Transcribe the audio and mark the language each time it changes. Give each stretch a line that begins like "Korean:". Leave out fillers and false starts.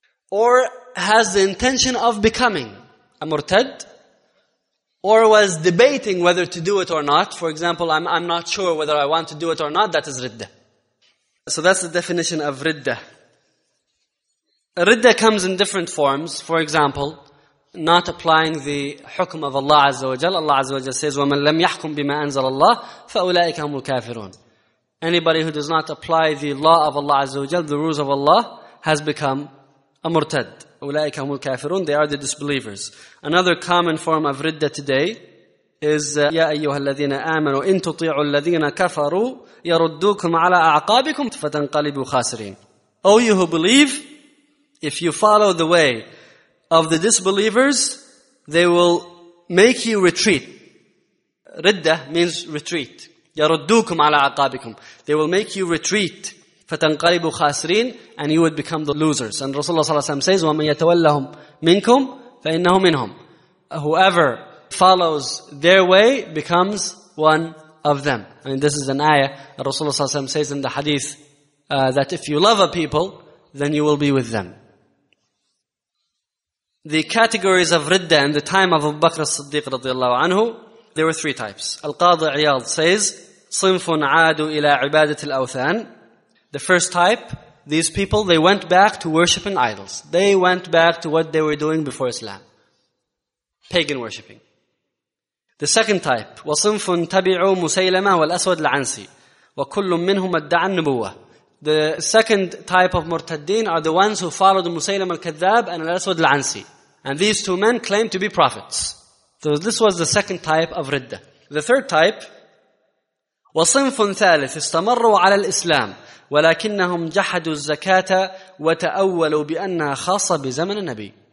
English: Or has the intention of becoming a murtad, or was debating whether to do it or not. For example, I'm not sure whether I want to do it or not, that is riddah. So that's the definition of riddah. Riddah comes in different forms. For example, not applying the hukm of Allah Azza wa Jal. Allah Azza wa Jal says,
Arabic: وَمَنْ لَمْ يَحْكُمْ بِمَا أَنزَلَ اللَّهِ فَأُولَٰئِكَ هُمُ الْكَافِرُونَ. Anybody who does not apply the law of Allah Azza wa Jal, the rules of Allah, has become a murtad. أُولَٰئِكَ هُمُ الْكَافِرُونَ.
English: They are the disbelievers. Another common form of riddah today is
Arabic: يَا أَيُّهَا الَّذِينَ آمَنُوا إِن تُطِيعُوا الَّذِينَ كَفَرُوا يَرُدُّوكُمْ عَلَىٰ أَعْقَابِكُمْ فَتَنْقَلِبُوا خَاسِرِينَ.
English: Oh, you who believe, if you follow the way of the disbelievers, they will make you retreat. Riddah means retreat.
Arabic: يَرُدُّوكُمْ عَلَىٰ أَعْقَابِكُمْ.
English: They will make you retreat.
Arabic: فَتَنْقَلِبُوا خَاسِرِينَ,
English: and you would become the losers.
Arabic: And Rasulullah صلى الله عليه وسلم
English: says,
Arabic: وَمَنْ يَتَوَلَّهُمْ مِنْكُمْ فَإِنَّهُ مِنْهُمْ.
English: Whoever follows their way becomes one of them. I mean, this is an ayah. Rasulullah صلى الله عليه وسلم says in the hadith that if you love a people, then you will be with them. The categories of riddah in the time of Abu Bakr as-Siddiq رضي الله عنه, there were three types. Al-Qadi Iyad says,
Arabic: صِنْفٌ عَادُوا إِلَىٰ عِبَادَةِ الْأَوْثَانِ.
English: The first type, these people, they went back to worshipping idols. They went back to what they were doing before Islam. Pagan worshipping. The second type,
Arabic: وَصِنْفٌ تَبِعُوا مُسَيْلَمَةَ وَالْأَسْوَدَ الْعَنْسِي وَكُلٌّ مِّنْهُمْ أَدَّعَ النُّبُوَّةَ.
English: The second type of murtaddin are the ones who followed Musaylam al-Kadhab and al-Aswad al-Ansi. And these two men claim to be prophets. So this was the second type of ridda. The third type,
Arabic: وَصِنْفٌ ثَالِثٌ اسْتَمَرُوا عَلَى الْإِسْلَامِ وَلَكِنَّهُمْ جَحَدُوا الزَّكَاةَ وَتَأَوَّلُوا بِأَنَّهَا خَاصَةٌ بِزَمَنِ النَّبِيِّ.